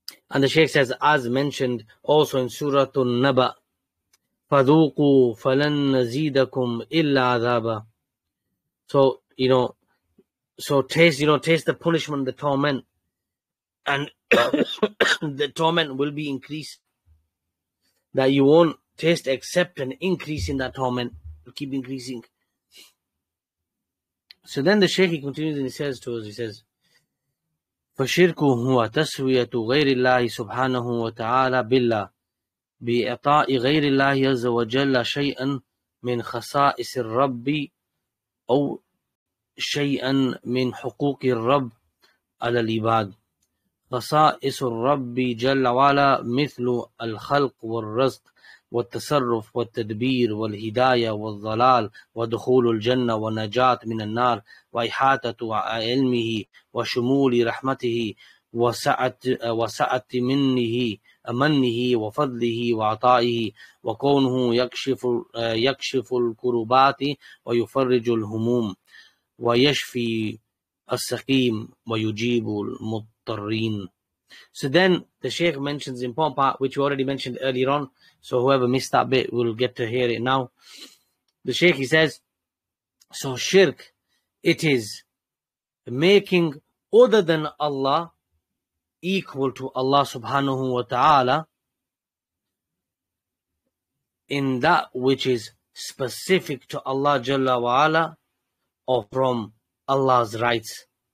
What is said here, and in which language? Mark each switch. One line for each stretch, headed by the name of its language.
English: And the Shaykh says, as mentioned also in Surah al-Naba,
Arabic: فَذُوقُوا فَلَن نَزِيدَكُمْ إِلَّا عَذَابًا.
English: So taste the punishment, the torment, and the torment will be increased. That you won't taste except an increase in that torment. It'll keep increasing. So then the Shaykh, he continues and he says to us, he says,
Arabic: فَشِرْكُ هُوَ تَسْوِيَةُ غَيْرِ اللَّهِ سُبْحَانَهُ وَتَعَالَى بِاللَّهِ بإعطاء غير الله عز وجل شيئا من خصائص الرب أو شيئا من حقوق الرب على العباد. خصائص الرب جل وعلا مثل الخلق والرزق والتصرف والتدبير والهداية والضلال ودخول الجنة ونجاة من النار وإحاطة علمه وشمول رحمته وسعت منه أمنه وفضله وعطائه وكونه يكشف الكربات ويفرج الهموم ويشفي السقيم ويجيب المضطرين.
English: So then the Shaykh mentions the important part, which we already mentioned earlier on, so whoever missed that bit will get to hear it now. The Shaykh, he says, so shirk, it is making other than Allah equal to Allah subhanahu wa ta'ala in that which is specific to Allah jalla wa ala or from Allah's rights.